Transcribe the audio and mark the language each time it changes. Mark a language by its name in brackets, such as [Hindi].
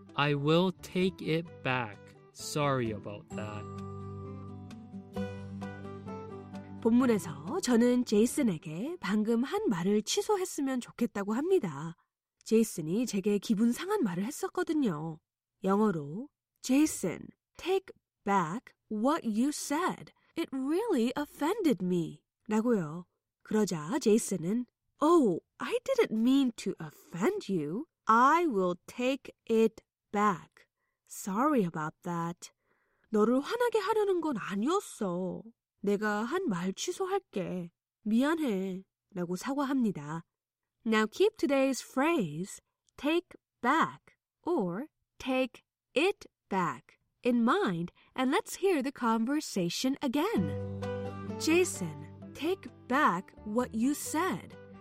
[English] I will take it back. Sorry about that. [Korean] 본문에서 저는 제이슨에게 방금 한 말을 취소했으면 좋겠다고 합니다. 제이슨이 제게 기분 상한 말을 했었거든요. 영어로 [English] Jason, take back what you said. It really offended me. [Korean] 라고요. 그러자 제이슨은 [English] Oh, I didn't mean to offend you. I will take it back. Sorry about that. [Korean] 너를 화나게 하려는 건 아니었어. 내가 한 말 취소할게. 미안해. 라고 사과합니다. [English] Now keep today's phrase, take back or take it back in mind and let's hear the conversation again. Jason, take back what you said.